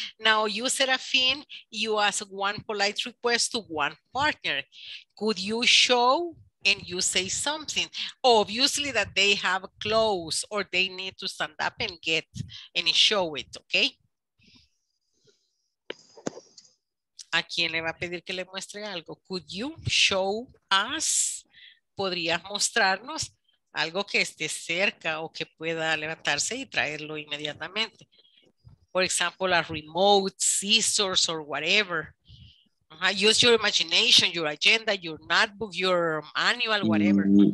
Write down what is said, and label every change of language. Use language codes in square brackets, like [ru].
[en] Now you, Serafine, you ask one polite request to one partner. Could you show, and you say something. Obviously that they have clothes or they need to stand up and get and show it, okay? [es] ¿A quién le va a pedir que le muestre algo? [en] Could you show us? [es] ¿Podrías mostrarnos algo que esté cerca o que pueda levantarse y traerlo inmediatamente? [en] For example, a remote, scissors, or whatever. Use your imagination, your agenda, your notebook, your manual, whatever.